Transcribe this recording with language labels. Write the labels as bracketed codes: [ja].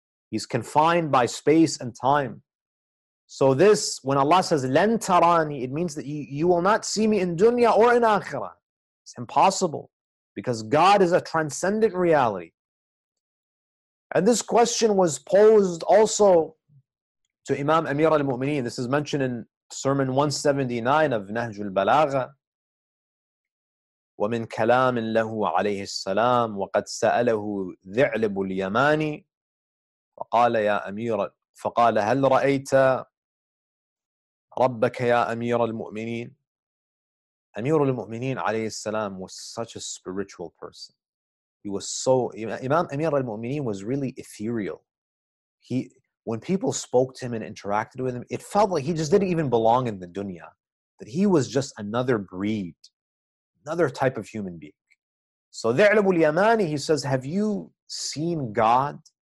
[en] He's confined by space and time. So this, when Allah says, [ar] لَن تَرَانِي, [en] it means that you will not see me in dunya or in akhirah. It's impossible, because God is a transcendent reality. And this question was posed also to Imam Amir al-Mu'mineen. This is mentioned in Sermon 179 of Nahj al-Balagha. [ar] وَمِنْ كَلَامٍ لَهُ عَلَيْهِ السَّلَامِ وَقَدْ سَأَلَهُ ذِعْلِبُ الْيَمَانِ فَقَالَ يَا أَمِيرَ فَقَالَ هَلْ رَأَيْتَ رَبَّكَ يَا أَمِيرَ الْمُؤْمِنِينَ أَمِيرُ الْمُؤْمِنِينَ عَلَيْهِ السَّلَامِ [en] was such a spiritual person. He was so... Imam Amir al-Mu'mineen was really ethereal. He, when people spoke to him and interacted with him, it felt like he just didn't even belong in the dunya. That he was just another breed. Another type of human being. So ذِعْلَبُ الْيَمَانِ, he says, have you seen God?